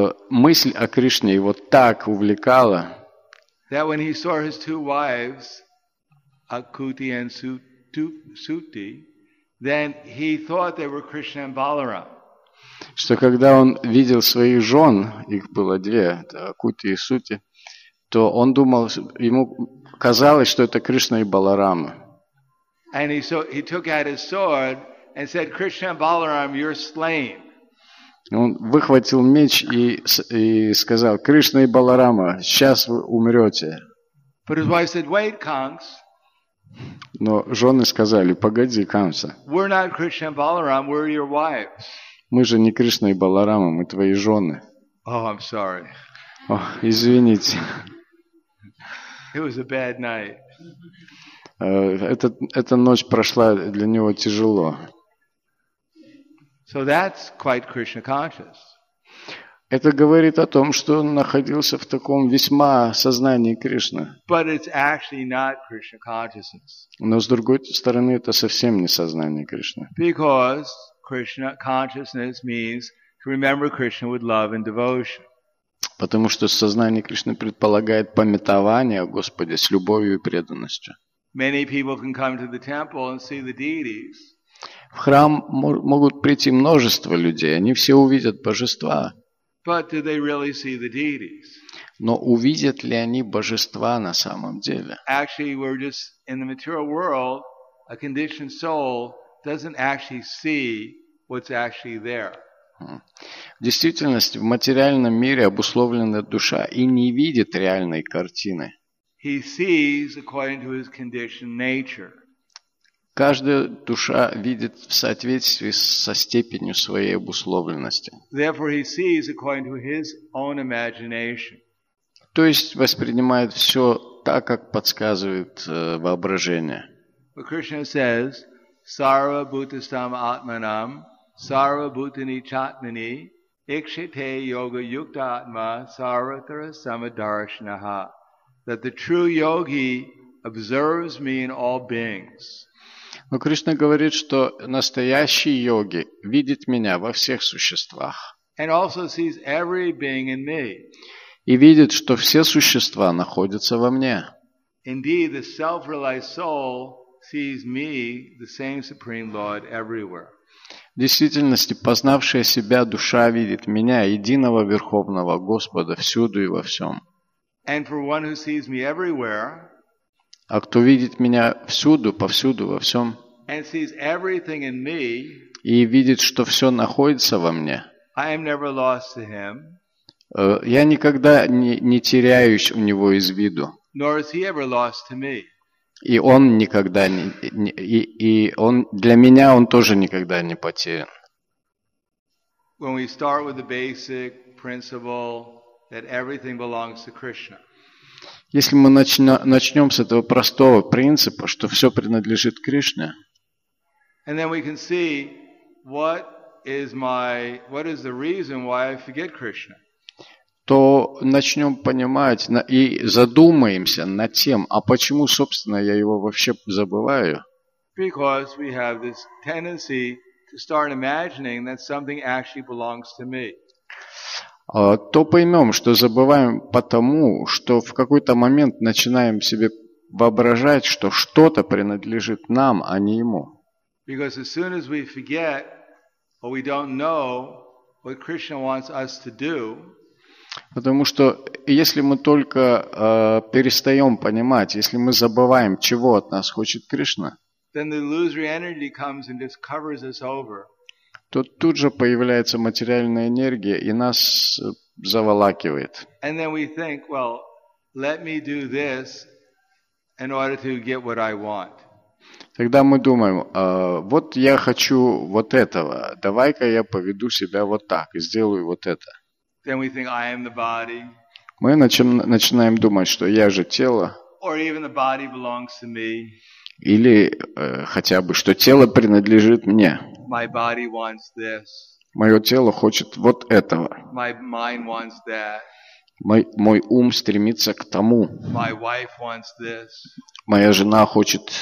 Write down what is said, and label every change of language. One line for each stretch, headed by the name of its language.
Russian: Мысль о Кришне его так увлекала,
English: that when he saw his two wives, Акути and Сути, then he thought they were Krishna and Balaram.
Russian: что когда он видел своих жен, их было две, Кути и Сути, то он думал, ему казалось, что это Кришна и Баларама.
English: And he took out his sword and said, Krishna and Balaram, you're slain.
Russian: Он выхватил меч и сказал, Кришна и Баларама, сейчас вы умрете.
English: But his wife said, wait, Kanks.
Russian: Но жены сказали, погоди, Камса.
English: We're not Krishna and Balaram, we're your wives.
Russian: Мы же не Кришна и Баларама, мы твои жены.
English: Oh, I'm sorry.
Russian: Oh, извините.
English: It was a bad night.
Russian: Эта ночь прошла для него тяжело.
English: So that's quite Krishna conscious.
Russian: Это говорит о том, что он находился в таком весьма сознании Кришны.
English: But it's actually not Krishna consciousness.
Russian: Но с другой стороны, это совсем не сознание Кришны.
English: Because Krishna consciousness means to remember Krishna with love and devotion.
Russian: Потому что сознание Кришны предполагает памятование о Господе с любовью и преданностью.
English: Many people can come to the temple and see the deities.
Russian: В храм могут прийти множество людей, они все увидят божества.
English: But do they really see the deities?
Russian: Но увидят ли они божества на самом деле?
English: Actually, we're just in the material world, a conditioned soul doesn't actually see what's actually there.
Russian: В действительности, в материальном мире обусловленная душа и не видит реальной картины.
English: He sees according to his conditioned nature.
Russian: Каждая душа видит в соответствии со степенью своей обусловленности.
English: Therefore, he sees according to his own imagination.
Russian: То есть воспринимает все так, как подсказывает воображение.
English: But Krishna says,
Sanskrit: "Sarva bhutastam atmanam, sarva bhutani chatmani, ikshite yoga yukta atma, sarvatra samadarshanaha."
English: That the true yogi observes me in all beings.
Russian: Но Кришна говорит, что настоящий йоги видит меня во всех существах.
English: And also sees every being in me.
Russian: И видит, что все существа находятся во мне.
English: Indeed, the self-realized soul sees me, the same supreme Lord, everywhere.
Russian: В действительности, познавшая себя душа видит меня, единого верховного Господа, всюду и во всем.
English: And for one who sees me everywhere,
Russian: а кто видит меня всюду, повсюду, во всем,
English: and sees everything in me,
Russian: и видит, что все находится во мне,
English: I am never lost to him,
Russian: я никогда не теряюсь у него из виду,
English: nor is he ever lost to me.
Russian: И он никогда и он для меня он тоже никогда не потерян.
English: When we start with the basic principle that everything belongs to Krishna.
Russian: Если мы начнем с этого простого принципа, что все принадлежит Кришне.
English: And then we can see what is the reason why I forget Krishna.
Russian: То начнем понимать и задумаемся над тем, а почему, собственно, я его вообще забываю?
English: Because we have this tendency to start imagining that something actually belongs to me.
Russian: То поймем, что забываем потому, что в какой-то момент начинаем себе воображать, что что-то принадлежит нам, а не ему.
English: Because as soon as we forget, or we don't know what Krishna wants us to do,
Russian: потому что если мы только перестаем понимать, если мы забываем, чего от нас хочет Кришна,
English: then the illusory energy comes and just covers us over.
Russian: То тут же появляется материальная энергия и нас заволакивает.
English: And then we think, well, let me do this in order to get what I want.
Russian: Тогда мы думаем, вот я хочу вот этого, давай-ка я поведу себя вот так и сделаю вот это.
English: Then we think, I am the body.
Russian: Мы начинаем думать, что я же тело.
English: Or even the body belongs to me.
Russian: Или хотя бы, что тело принадлежит мне.
English: My body wants this.
Russian: Мое тело хочет вот этого.
English: My mind wants that.
Russian: Мой ум стремится к тому.
English: My wife wants this.
Russian: Моя жена хочет